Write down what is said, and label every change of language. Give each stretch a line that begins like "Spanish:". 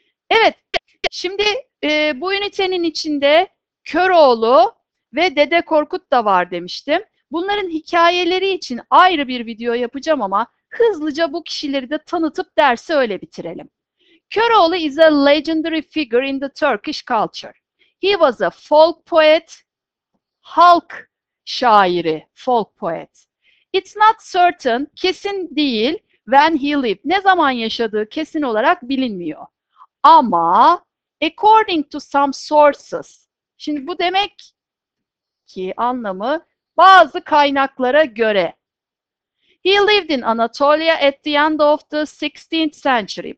Turkish: Evet, şimdi bu ünitenin içinde Köroğlu ve Dede Korkut da var demiştim. Bunların hikayeleri için ayrı bir video yapacağım ama hızlıca bu kişileri de tanıtıp dersi öyle bitirelim.
English: Köroğlu is a legendary figure in the Turkish culture. He was a folk poet,
Turkish: halk şairi,
English: folk poet. It's not certain,
Turkish: kesin değil,
English: when he lived,
Turkish: ne zaman yaşadığı kesin olarak bilinmiyor. Ama,
English: according to some sources,
Turkish: şimdi bu demek ki anlamı bazı kaynaklara göre.
English: He lived in Anatolia at the end of the 16th century.